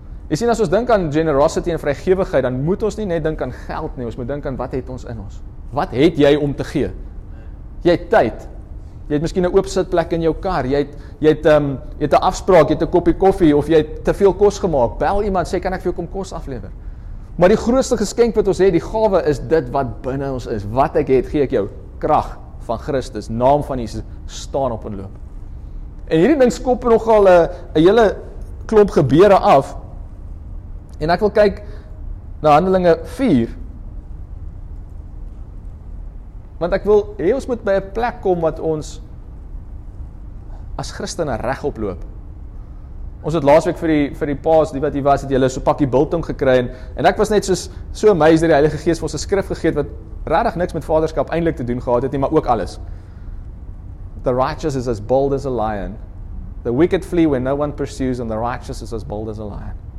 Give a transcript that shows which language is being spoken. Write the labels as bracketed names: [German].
[Afrikaans] Jy sien, as ons dink aan generosity en vrygewigheid, dan moet ons nie net dink aan geld nie, ons moet dink aan wat het ons in ons. Wat het jy om te gee? Jy het tyd. Jy het miskien 'n oop sitplek in jou kar. Jy het 'n afspraak, jy het 'n koppie koffie of jy het te veel kos gemaak. Bel iemand, sê kan ek vir jou kom kos aflewer? Maar die grootste geskenk wat ons het, die gawe is dit wat binne ons is. Wat ek het, gee ek jou. Krag van Christus, naam van Jesus, staan op en loop. En hierdie ding skop nogal 'n hele klomp gebeure af. En ek wil kyk na Handelinge 4. Want ek wil hê ons moet by 'n plek kom wat ons as Christene regop loop. Ons het laasweek vir die paas, die wat hier was, het julle so pakkie biltong gekry en ek was net so amazed dat die Heilige Gees vir ons 'n skrif gegee het wat regtig niks met vaderskap eintlik te doen gehad het nie, maar ook alles. [English] The righteous is as bold as a lion. The wicked flee when no one pursues and the righteous is as bold as a lion.